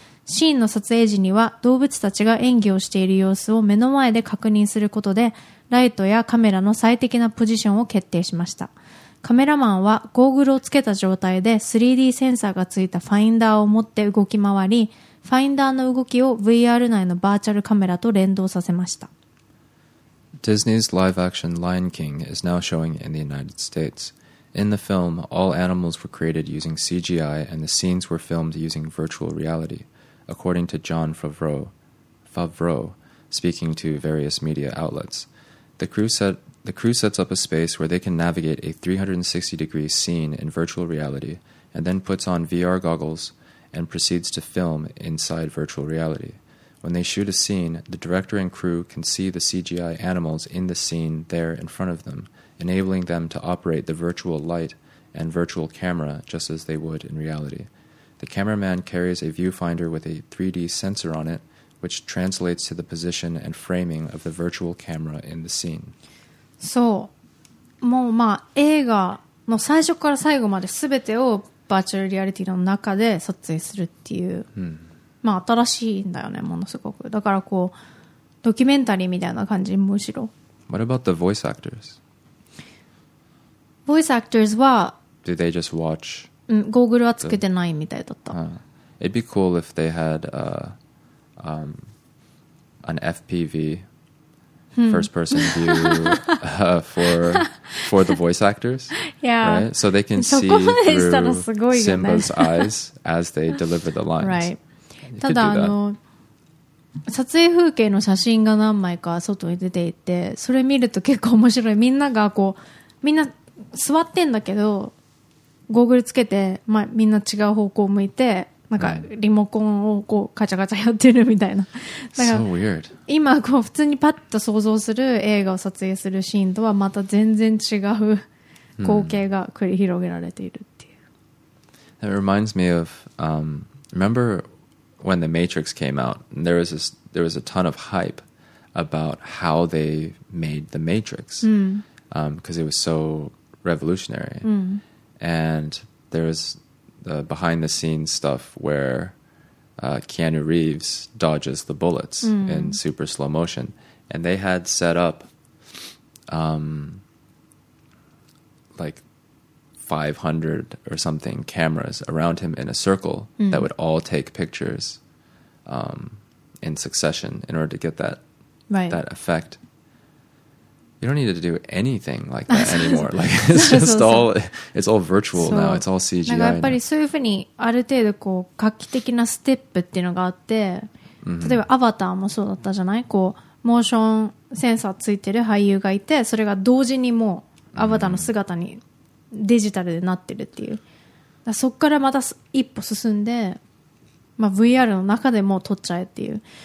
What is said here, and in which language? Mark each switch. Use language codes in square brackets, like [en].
[ja] シーンの撮影時には動物たちが演技をしている様子を目の前で確認することで、ライトやカメラの最適なポジションを決定しました。カメラマンはゴーグルをつけた状態で 3D センサーがついたファインダーを持って動き回り、ファインダーの動きを VR 内のバーチャルカメラと連動させました。 [en] Disney's live-action Lion King is now showing in the United States. In the film, all animals were created using CGI and the scenes were filmed using virtual reality, according to John Favreau, speaking to various media outlets. The crew sets up a space where they can navigate a 360-degree scene in virtual reality and then puts on VR goggles and proceeds to film inside virtual reality. When they shoot a scene, the director and crew can see the CGI animals in the scene there in front of them, enabling them to operate the virtual light and virtual camera just as they would in reality. The cameraman carries a viewfinder with a 3D sensor on it, which translates to the position and framing of the virtual camera in the scene. [ja] そう、もうまあ映画の最初から最後まで全てをバーチャルリアリティの中で撮影するっていう、うん、まあ新しいんだよね、ものすごく。だからこうドキュメンタリーみたいな感じ。むしろ [en] What about the voice actors? Voice actors は Do they just watch? [ja] うん、ゴーグルはつけてないみたいだった、 [en] uh, It'd be cool if they had a, an FPVFirst person view for the voice actors. Yeah. Right? So they can see through Simba's eyes as they deliver the lines. Right. [ja] ただあの撮影風景の写真が何枚か外に出ていて、それ見ると結構面白い。みんながこうみんな座ってんだけど、ゴーグルつけて、まあ、みんな違う方向を向いて。なんかリモコンをこうカチャカチャやってるみたいな。だから今こう普通にパッと想像する映画を撮影するシーンとはまた全然違う光景が繰り広げられているっていう。 [en] That reminds me of, remember when The Matrix came out? There was a ton of hype about how they made The Matrix, because it was so revolutionary. And there was... behind the scenes stuff where Keanu Reeves dodges the bullets in super slow motion, and they had set up like 500 or something cameras around him in a circle that would all take pictures in succession in order to get that, right. that effect. You don't need to do anything like that anymore. Like, it's just all, it's all virtual now. It's all CGI. [ja] なんかやっぱりそういうふうにある程度こう画期的なステップっていうのがあって、例えばアバターもそうだったじゃない？こう、モーションセンサーついてる俳優がいて、それが同時にもうアバターの姿にデジタルでなってるっていう。だからそっからまた一歩進んで、まあ VR の中でも撮っちゃえっていう。